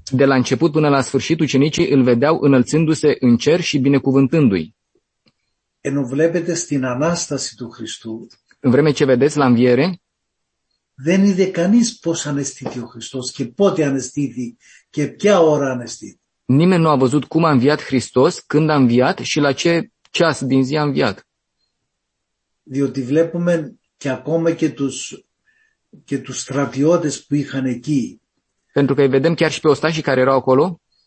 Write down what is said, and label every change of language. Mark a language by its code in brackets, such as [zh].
[ro] De la început până la sfârșit, ucenicii îl vedeau înălțându-se în cer și binecuvântându-i. [el] Ενώ βλέπετε στην Ανάσταση του Χριστού, [ro] în vreme ce vedeți la Înviere, [el] δεν είδε κανείς πώς ανεστήθη ο Χριστός και πότε ανεστήθη και ποια ώρα ανεστήθη. [ro] Nimeni nu a văzut cum a înviat Hristos, când a înviat și la ce ceas din zi a înviat. [el] Διότι βλέπουμε και ακόμα και τους και τους στρατιώτες που είχαν εκεί. [ro] Pentru că îi vedem chiar și pe ostașii care erau acolo.